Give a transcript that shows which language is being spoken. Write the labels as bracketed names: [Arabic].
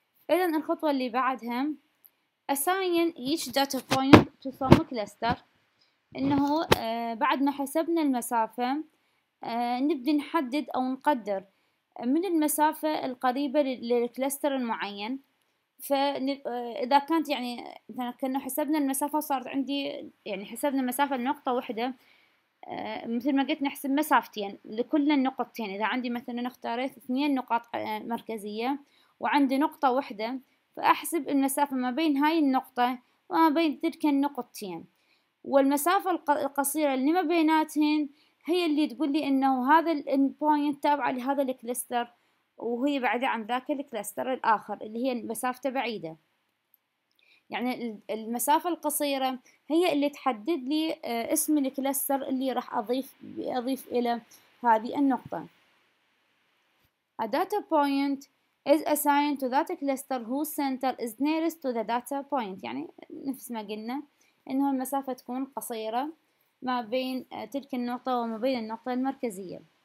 [Arabic] إذا الخطوة اللي بعدها، [English] assign each data point to some cluster. [Arabic] إنه بعد ما حسبنا المسافة، نبدأ نحدد أو نقدر من المسافة القريبة للكلستر المعين. فإذا كانت يعني مثلا كنا حسبنا المسافة، صارت عندي يعني حسبنا مسافة لنقطة واحدة، مثل ما قلت نحسب مسافتين لكل النقطتين. إذا عندي مثلا اختاريت 2 نقاط مركزية وعندي نقطة واحدة، فأحسب المسافة ما بين هاي النقطة وما بين تلك النقطتين، والمسافة القصيرة اللي ما بيناتهن هي اللي تقول لي إنه هذا الإن بوينت تابع لهذا الكلستر، وهي بعيدة عن ذاك الكلستر الآخر اللي هي مسافته بعيدة. يعني المسافة القصيرة هي اللي تحدد لي اسم الكلستر اللي راح أضيف إلى هذه النقطة. [English] A data point is assigned to that cluster whose center is nearest to the data point. [Arabic] يعني نفس ما قلنا انه المسافة تكون قصيرة ما بين تلك النقطة وما بين النقطة المركزية.